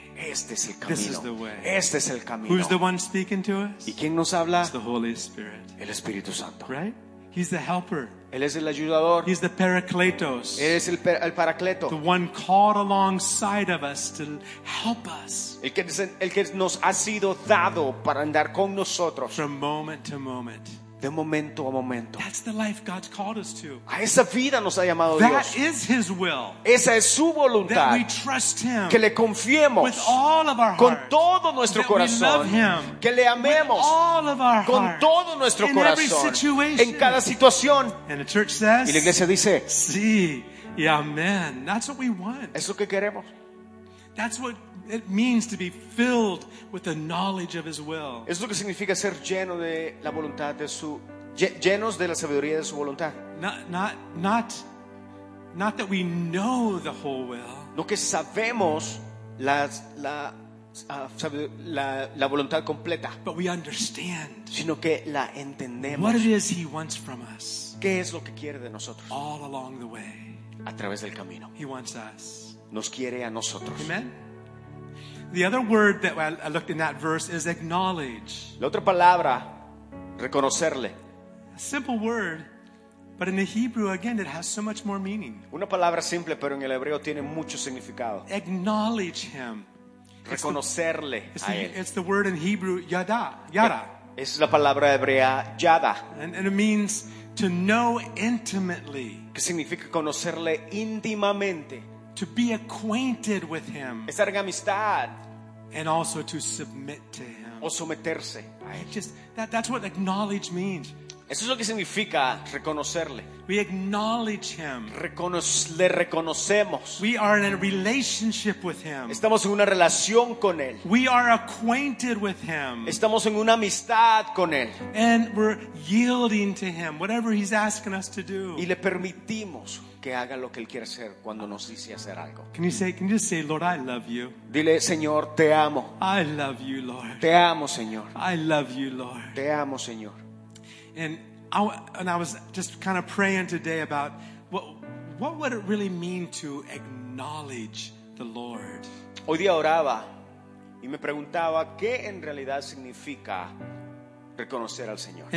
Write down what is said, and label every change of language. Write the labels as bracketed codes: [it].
[es] Este es el camino. [en] This is the way. [es] Este es el camino. [en] Who's the one speaking to us? [es] ¿Y quién nos habla? [en] It's the Holy Spirit. [es] El Espíritu Santo. [en] Right? He's the helper. [es] Él es el ayudador. [en] He's the paracletos. [es] Él es el paracleto. [en] The one called alongside of us to help us. [es] El que nos ha sido dado para andar con nosotros. [en] From moment to moment. [es] de momento a momento. [en] That's the life God's called us to. [es] A esa vida nos ha llamado [en] that [es] Dios. [en] Is his will. [es] Esa es su voluntad. [en] That we trust him. [es] Que le confiemos [en] with all of our heart. [es] Con todo nuestro [en] that [es] corazón. [en] We love him. [es] Que le amemos [en] with all of our heart. [es] Con todo nuestro [en] in [es] corazón. [en] Every situation. [es] En cada situación. [en] And the church says, [es] y la iglesia dice, sí, y amén. [en] That's what we want. [es] Eso que queremos. [en] That's what it means to be filled with the knowledge of his will. [es] Es lo que significa ser lleno de la voluntad de su llenos de la sabiduría de su voluntad. [en] Not that we know the whole will. [es] No que sabemos la voluntad completa. [en] But we understand. [es] Sino que la entendemos. [en] What it is he wants from us. [es] ¿Qué es lo que quiere de nosotros? [en] All along the way. [es] A través del camino. [en] He wants us. [es] Nos quiere a nosotros. [en] Amen. The other word that I looked in that verse is acknowledge. [es] La otra palabra, reconocerle. [en] A simple word, but in the Hebrew again it has so much more meaning. [es] Una palabra simple, pero en el hebreo tiene mucho significado. [en] Acknowledge him. [es] Reconocerle a él. [en] It's the word in Hebrew yada, yada. [es] Es la palabra hebrea yada. [en] And it means to know intimately. [es] Que significa conocerle íntimamente. [en] To be acquainted with him. [es] Estar en amistad. [en] And also to submit to him. [es] O someterse. [en] That's what acknowledge means. [es] Eso es lo que significa reconocerle. [en] We acknowledge him. [es] Le reconocemos. [en] We are in a relationship with him. [es] Estamos en una relación con él. [en] We are acquainted with him. [es] Estamos en una amistad con él. [en] And we're yielding to him, whatever he's asking us to do. [es] Y le permitimos que haga lo que él quiere hacer cuando nos dice hacer algo. [en] Can you say, Lord, I love you. [es] Dile, Señor, te amo. [en] I love you, Lord. [es] Te amo, Señor. [en] I love you, Lord. [es] Te amo, Señor. [en] And I was just kind of praying today about what would it really mean to acknowledge the Lord. [es] Hoy día oraba y me preguntaba qué en realidad significa reconocer al Señor.